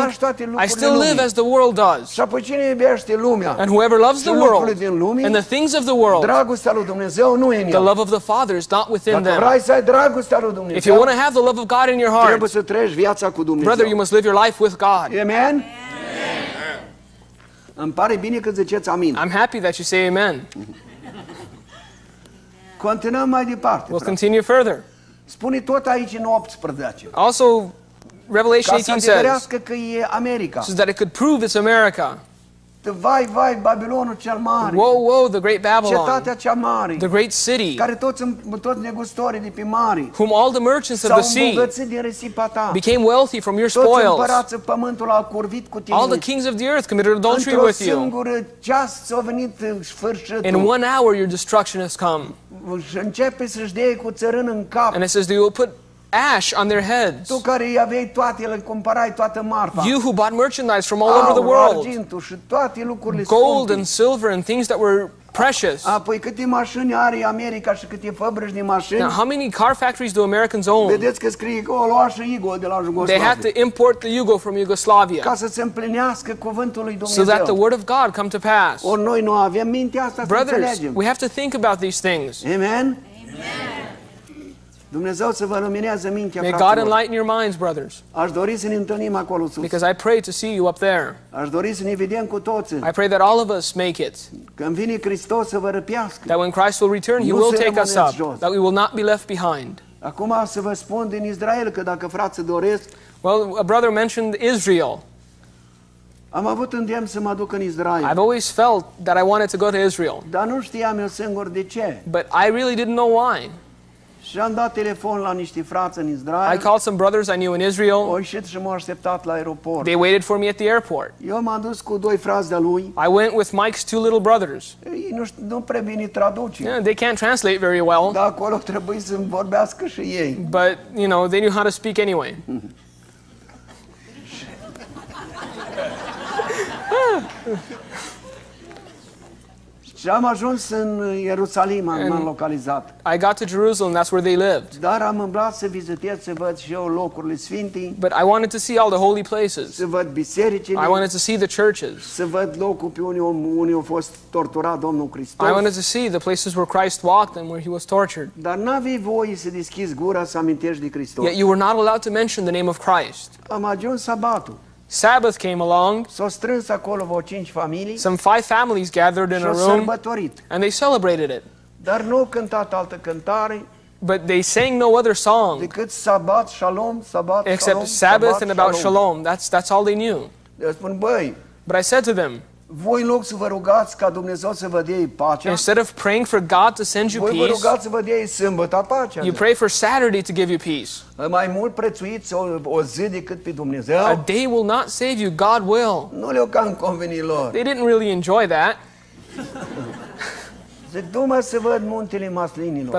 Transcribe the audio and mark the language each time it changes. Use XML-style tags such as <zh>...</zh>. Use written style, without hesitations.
<en>I still live as the world does. And whoever loves the world and the things of the world, the love of the Father is not within them. If you want to have the love of God in your heart, brother, you must live your life with God. Amen?</en> <ro>Îmi pare bine că ziceți amin.</ro> <en>I'm happy that you say amen.</en> <ro>Continuăm mai departe.</ro> <en>We'll continue further.</en> <ro>Spune tot aici în 18.</ro> <en>Also, Revelation 18 says that it could prove it's America.</en> <ro>Vai, vai, Babilonul cel mare.</ro> <en>Whoa, whoa, the great Babylon.</en> <ro>Cetatea cea mare.</ro> <en>The great city.</en> <ro>Care toți negustorii de pe mare.</ro> <en>Whom all the merchants of the sea became wealthy from your spoils.</en> <ro>Toți împărații pământul au curvit cu tine.</ro> <en>All the kings of the earth committed adultery with you.</en> <ro>Într-o singură ceas a venit sfârșitul.</ro> <en>In one hour your destruction has come.</en> <ro>Începe să-și dea cu țărână în cap.</ro> <en>And it says they will put ash on their heads.</en> <ro>Tu care aveai toate, le cumpărai toată marfa.</ro> <en>You who bought merchandise from all over the world.</en> <ro>Argintul și toate lucrurile scumpe.</ro> <en>Gold and silver and things that were precious.</en> <ro>Apoi câte mașini are America și câte fabrici de mașini?</ro> <en>Now, how many car factories do Americans own?</en> <ro>Vedeți că scrie că o lua și Yugo de la Jugoslavia.</ro> <en>They had to import the Yugo from Yugoslavia.</en> <ro>Ca să se împlinească cuvântul lui Dumnezeu.</ro> <en>So that the word of God come to pass.</en> <ro>Or noi nu avem mintea asta să înțelegem.</ro> <en>Brothers, we have to think about these things. Amen. Amen.</en> <ro>Dumnezeu să vă lumineze mintea.</ro> <en>May God enlighten your minds, brothers.</en> <ro>Aș dori să ne întâlnim acolo sus.</ro> <en>Because I pray to see you up there.</en> <ro>Aș dori să ne vedem cu toți.</ro> <en>I pray that all of us make it.</en> <ro>Când vine Hristos să vă răpească.</ro> <en>That when Christ will return, he will take us up.</en> <ro>Jos.</ro> <en>That we will not be left behind.</en> <ro>Acum să vă spun din Israel că dacă frații doresc.</ro> <en>Well, a brother mentioned Israel.</en> <ro>Am avut îndemn să mă duc în Israel.</ro> <en>I've always felt that I wanted to go to Israel.</en> <ro>Dar nu știam eu singur de ce.</ro> <en>But I really didn't know why.</en> <ro>Și am dat telefon la niște frați în Israel.</ro> <en>I called some brothers I knew in Israel.</en> <ro>Au ieșit și m-au așteptat la aeroport.</ro> <en>They waited for me at the airport.</en> <ro>Eu m-am dus cu doi frați de-a lui.</ro> <en>I went with Mike's two little brothers.</en> <ro>Ei nu prea bine traduce.</ro> <en>Yeah, they can't translate very well.</en> <ro>Dar acolo trebuie să vorbească și ei.</ro> <en>But, you know, they knew how to speak anyway.</en> <ro>Și am ajuns în Ierusalim, am m-am localizat.</ro> <en>I got to Jerusalem, that's where they lived.</en> <ro>Dar am umblat să vizitez, să văd și eu locurile sfinte.</ro> <en>But I wanted to see all the holy places.</en> <ro>Să văd bisericile.</ro> <en>I wanted to see the churches.</en> <ro>Să văd locul pe unde a fost torturat Domnul Hristos.</ro> <en>I wanted to see the places where Christ walked and where he was tortured.</en> <ro>Dar n-aveai voie să deschizi gura să amintești de Hristos.</ro> <en>Yet you were not allowed to mention the name of Christ.</en> <ro>Am ajuns sabatul.</ro> <en>Sabbath came along.</en> <ro>S-au strâns acolo vreo 5 familii.</ro> <en>Some 5 families gathered in a room. And they celebrated it.</en> <ro>Dar nu cântat altă cântare.</ro> <en>But they sang no other song.</en> <ro>Decât Sabbath, Shalom, Sabbath, Shalom.</ro> <en>Except Sabbath and about Shalom. That's all they knew.</en> <ro>Eu spun, băi.</ro> <en>But I said to them,</en> <ro>voi în loc să vă rugați ca Dumnezeu să vă dea pacea.</ro> <en>Instead of praying for God to send you peace.</en> <ro>Voi vă rugați să vă dea sâmbătă pacea.</ro> <en>You pray for Saturday to give you peace.</en> <ro>Mai mult prețuiți o zi decât pe Dumnezeu.</ro> <en>A day will not save you, God will.</en> <ro>Nu le-o cam convenit lor.</ro> <en>They didn't really enjoy that.</en> <ro>Zic, du-mă să văd muntele maslinilor.</ro>